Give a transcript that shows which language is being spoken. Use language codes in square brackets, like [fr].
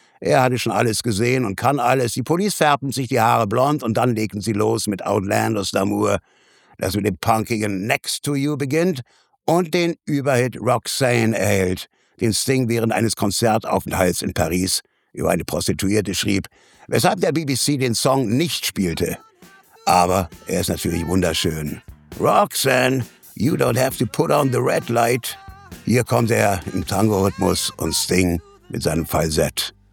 [de] Er hatte schon alles gesehen und kann alles. Die Police färbten sich die Haare blond und dann legten sie los mit Outlanders d'Amour, das mit dem punkigen Next to You beginnt und den Überhit Roxanne erhält, den Sting während eines Konzertaufenthalts in Paris über eine Prostituierte schrieb, weshalb der BBC den Song nicht spielte. Aber er ist natürlich wunderschön. [en] Roxanne, you don't have to put on the red light. [de] Hier kommt er im Tango-Rhythmus und Sting mit seinem Falsett.